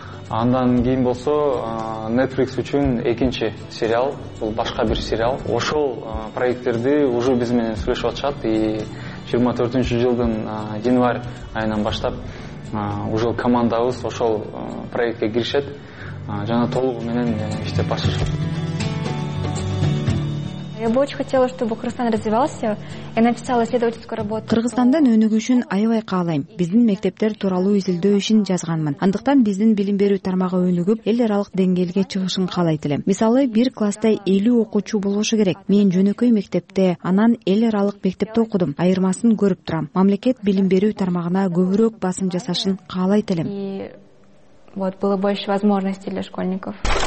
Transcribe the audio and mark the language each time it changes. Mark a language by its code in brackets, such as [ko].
[ky] Андан кийин болсо Netflix үчүн экинчи сериал, бул башка бир сериал. Ошол проекттерди уже биз менен сүйлөшүп атышат и 24-нчү жылдын январь айынан баштап уже командабыз ошол проектке киришет жана толугу менен иштеп башташат. [ru] Я бы очень хотела, чтобы Кыргызстан развивался. Я написала исследовательскую работу. [ky] Кыргызстандан өнүгүшүн аябай каалайм. Биздин мектептер тууралуу изилдөө ишин жазганмын. Андыктан биздин билим берүү тармагы өнүгүп, эл аралык деңгээлге чыгышын каалайт элем. Мисалы, бир класста 50 окуучу болушу керек. Мен жөнөкөй мектепте, анан эл аралык мектепте окудум. Айырмасын көрүп турам. Мамлекет билим берүү тармагына көбүрөөк басым жасашын каалайт элем. [ru] Вот было больше возможностей для школьников.